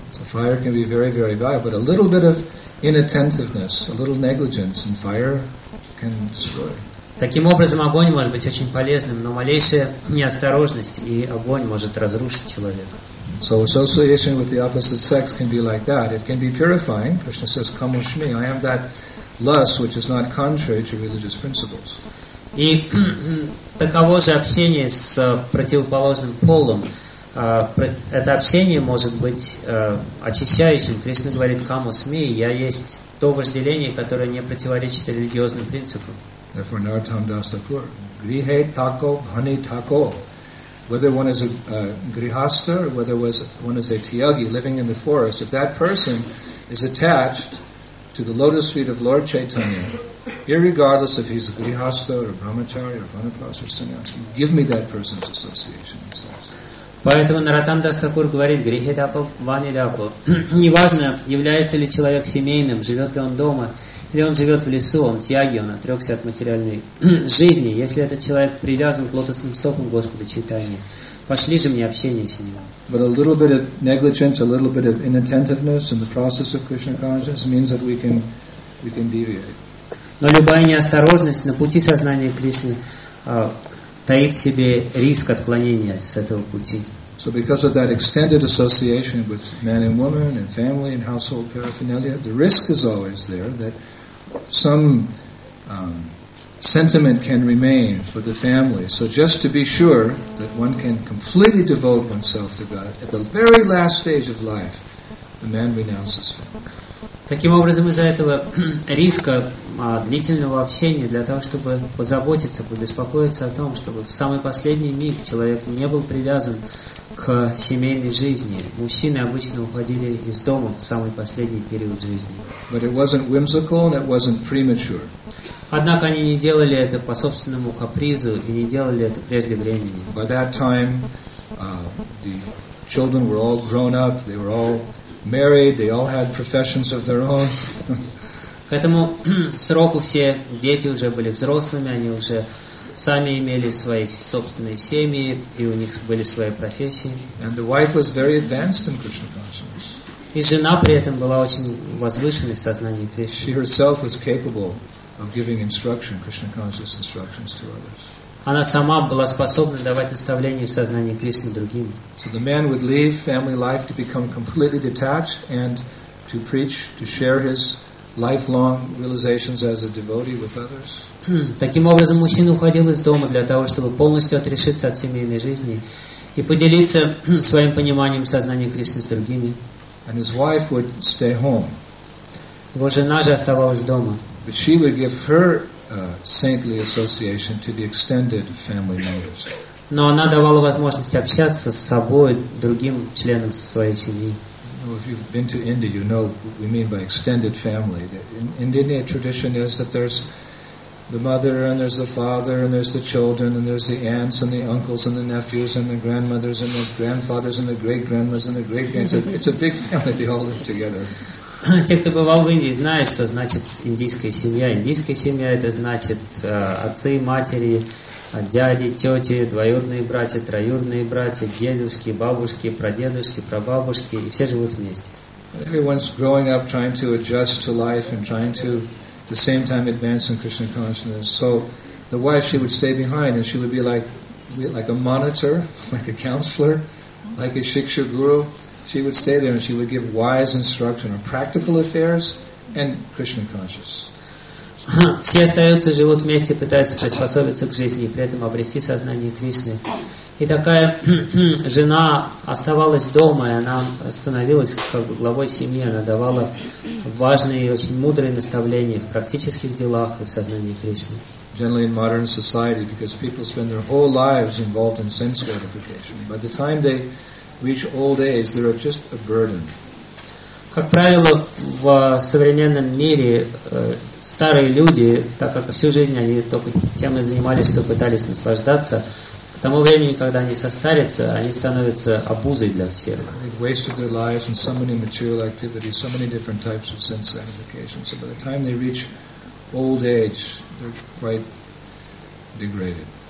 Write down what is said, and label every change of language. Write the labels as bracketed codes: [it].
[en] So fire can be very, very valuable, but a little bit of inattentiveness, a little negligence, and fire can destroy. [ru] Таким образом, огонь может быть очень полезным, но малейшая неосторожность, и огонь может разрушить человека. [en] So association with the opposite sex can be like that. It can be purifying. Krishna says, come with me. I am that lust which is not contrary to religious principles. [ru] И таково же общение с противоположным полом. Это общение может быть очищающим. Кришна говорит, [en] come with me. [ru] Я есть то вожделение, которое не противоречит религиозным принципам. [en] Therefore, Narottam Das Thakur, [sa] grihe tako, hani tako. [en] Whether one is a grihastha or whether one is a tyagi living in the forest, if that person is attached to the lotus feet of Lord Chaitanya, irregardless if he's a grihastha or a brahmachari or vanaprasa or sannyasi, give me that person's association. [ru] Поэтому Нараттам Дас Такур говорит, [sa] грихе тако, вани тако. [ru] Неважно, является ли человек семейным, живет ли он дома. Если он живет в лесу, он тяги, он отрекся от материальной жизни. Если этот человек привязан к лотосным стопам Господа Чайтаньи, пошли же мне общение с ним. [en] But a little bit of negligence, a little bit of inattentiveness in the process of Krishna consciousness means that we can deviate. [ru] Но любая неосторожность на пути сознания Кришны таит в себе риск отклонения с этого пути. [en] So because of that extended association with man and woman and family and household paraphernalia, the risk is always there that some sentiment can remain for the family. So just to be sure that one can completely devote oneself to God at the very last stage of life, the man renounces him. [ru] Таким образом, из-за этого риска длительного общения, для того, чтобы позаботиться, побеспокоиться о том, чтобы в самый последний миг человек не был привязан к семейной жизни, мужчины обычно уходили из дома в самый последний период жизни. [en] But it wasn't whimsical and it wasn't premature. [ru] Однако они не делали это по собственному капризу и не делали это преждевременно. [en] By that time, the children were all grown up, they were all married, they all had professions of their own. [ru] К этому сроку все дети уже были взрослыми, они уже сами имели свои собственные семьи, и у них были свои профессии. [en] And the wife was very advanced in Krishna consciousness. [ru] И жена при этом была очень возвышенной в сознании Кришны. [en] She herself was capable of giving instruction, Krishna consciousness instructions to others. [ru] Она сама была способна давать наставления в сознании Кришны другим. [en] So the man would leave family life to become completely detached and to preach, to share his lifelong realizations as a devotee with others. [ru] Таким образом, мужчина уходил из дома для того, чтобы полностью отрешиться от семейной жизни и поделиться своим пониманием сознания Кришны с другими. [en] And his wife would stay home. [ru] Его жена же оставалась дома. [en] But she would give her saintly association to the extended family members. [ru] Но она давала возможность общаться с собой, другим членам своей семьи. [en] If you've been to India, you know what we mean by extended family. In India, tradition is that there's the mother, and there's the father, and there's the children, and there's the aunts, and the uncles, and the nephews, and the grandmothers, and the grandfathers, and the great-grandmas, and the great-grandmas. It's a big family. They all live together. [ru] Те, кто бывал в Индии, знают, что значит индийская семья. Индийская семья – это значит отцы и матери, дяди, тети, двоюродные братья, троюродные братья, дедушки, бабушки, прадедушки, прабабушки, и все живут вместе. [en] Everyone's growing up trying to adjust to life and trying to, at the same time, advance in Krishna consciousness. So the wife, she would stay behind, and she would be like a monitor, like a counselor, like a shiksha guru. She would stay there and she would give wise instruction on practical affairs and Krishna conscious. [ru] Все остаются, живут вместе, пытаются приспособиться к жизни и при этом обрести сознание Кришны. И такая жена оставалась дома, и она становилась как бы главой семьи, она давала важные и очень мудрые наставления в практических делах и в сознании Кришны. [en] Generally in modern society, because people spend their whole lives involved in sense gratification. By the time they reach old age, they are just a burden. [ru] Как правило, в современном мире старые люди, так как всю жизнь они только тем и занимались, что пытались наслаждаться, к тому времени, когда они состарятся, они становятся обузой для всех. [en] They've wasted their lives in so many material activities, so many different types of sense gratification. So by the time they reach old age, they're quite degraded.